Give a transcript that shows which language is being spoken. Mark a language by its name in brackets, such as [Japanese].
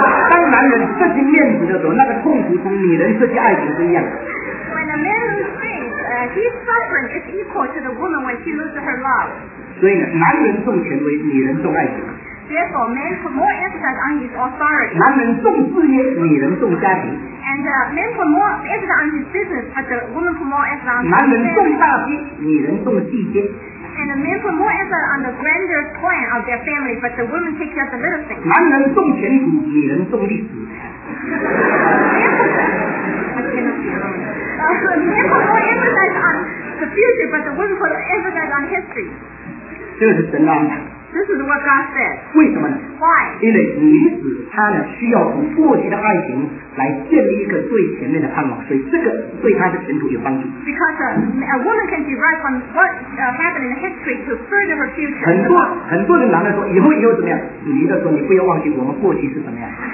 [Chinese] 当男人失去面子的时候，那个痛苦跟女人失去爱情是一样的。 [English] When a man loses his suffering is equal to the woman when she loses her love. [Chinese] 所以男人重权威，女人重爱情。 [English] Therefore, men put more emphasis on his authority. [Chinese] 男人重事业，女人重家庭。 [English] And men put more emphasis on his business, but the woman put more emphasis on his family. [Chinese] 男人重大计，女人重细节。 [English] And the men put more emphasis on the grander plan of their family, but the women take care of the little things. [Chinese] 男人重前途，女人重历史。 [English] Men put more emphasis on the future, but the women put emphasis on history. [Chinese] 这是神的安排。 [English] This is what God said. [Chinese] 为什么呢？ [English] Why? [Chinese] 因为女子她呢需要从过去的爱情来建立一个最前面的盼望，所以这个对她的前途有帮助。 [English] Because a woman can derive from what happened in history to further her future. [Chinese] 很多的男的说以后怎么样？女的说你不要忘记我们过去是怎么样。